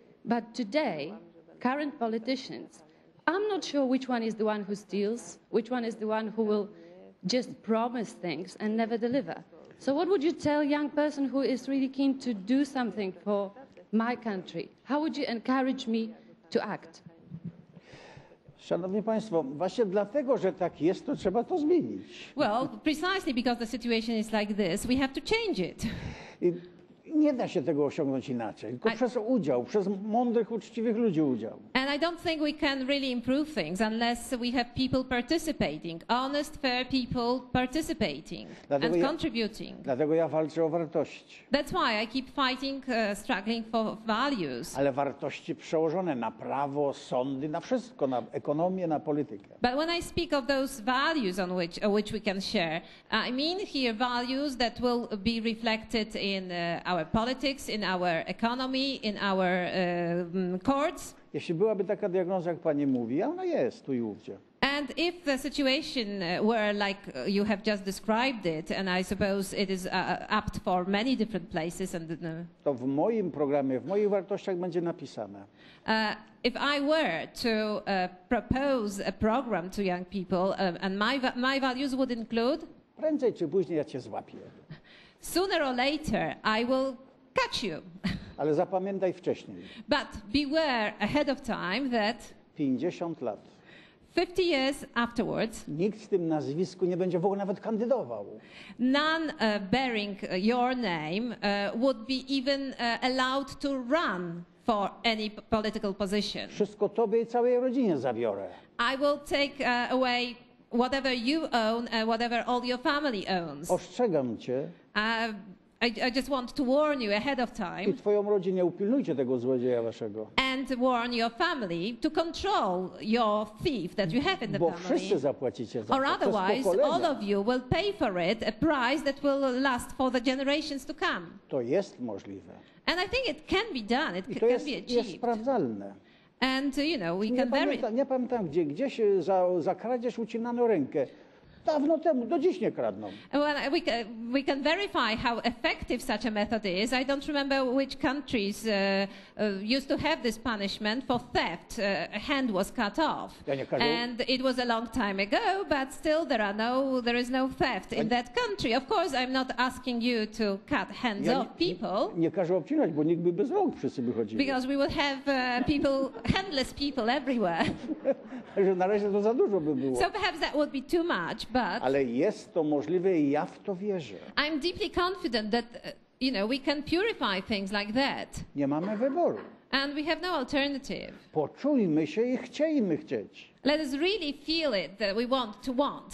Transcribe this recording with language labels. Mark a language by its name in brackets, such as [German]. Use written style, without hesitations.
[English] But today, current politicians, I'm not sure which one is the one who steals, which one is the one who will just promise things and never deliver. So what would you tell a young person who is really keen to do something for my country? How would you encourage me to act? [Polish] Szanowni Państwo, właśnie dlatego, że tak jest, to trzeba to zmienić. [English] Well, precisely because the situation is like this, we have to change it. [Polish] Nie da się tego osiągnąć inaczej, tylko przez udział, przez mądrych, uczciwych ludzi udział. [English] And I don't think we can really improve things unless we have people participating, honest, fair people participating [Polish] dlatego [English] and contributing. [Polish] Dlatego ja walczę o wartości. [English] That's why I keep fighting, struggling for values. [Polish] Ale wartości przełożone na prawo, sądy, na wszystko, na ekonomię, na politykę. [English] But when I speak of those values on which we can share, I mean here values that will be reflected in our politics, in our economy, in our courts. [Polish] Jeśli byłaby taka diagnoza, jak pani mówi, ona jest tu i ówdzie. [English] And if the situation were like you have just described it, and I suppose it is apt for many different places, and [Polish] to w moim programie, w moich wartościach będzie napisane. [English] If I were to propose a program to young people, and my values would include. [Polish] Prędzej czy później ja cię złapię. [English] Sooner or later, I will catch you. [Polish] Ale zapamiętaj wcześniej. [English] But beware ahead of time that [Polish] 50 lat. [English] 50 years afterwards, [Polish] nikt w tym nazwisku nie będzie w ogóle nawet kandydował. [English] None bearing your name would be even allowed to run for any political position. [Polish] Wszystko tobie i całej rodzinie zabiorę. [English] I will take away whatever you own, whatever all your family owns. [Polish] Ostrzegam cię. [English] I just want to warn you ahead of time. [Polish] I twoją rodzinę upilnujcie tego złodzieja waszego. [English] And warn your family to control your thief that you have in the [Polish] bo [English] family. [Polish] Wszyscy zapłacicie za [English] or otherwise, all of you will pay for it, a price that will last for the generations to come. [Polish] To jest możliwe. [English] And I think it can be done. It can [Polish] jest, [English] be achieved. [Polish] Jest sprawdzalne. [English] And you know, we can bury it. [Polish] Nie pamiętam gdzie się za kradzież ucinano rękę. Dawno temu, do dziś nie kradną. [English] Well, we can verify how effective such a method is. I don't remember which countries used to have this punishment for theft. A hand was cut off. [Polish] Ja nie kradę. [English] And it was a long time ago, but still there is no theft in that country. Of course, I'm not asking you to cut hands off people. [Polish] Nie każę obcinać, bo nikt by bez rąk wszyscy by chodzili. [English] Because we would have people, handless people everywhere. [Polish] Że na razie to za dużo by było. [English] So perhaps that would be too much. But [Polish] ale jest to możliwe i ja w to wierzę. [English] I'm deeply confident that you know we can purify things like that. [Polish] Nie mamy wyboru. [English] And we have no alternative. [Polish] Poczujmy się i chciejmy chcieć. [English] Let us really feel it that we want to want.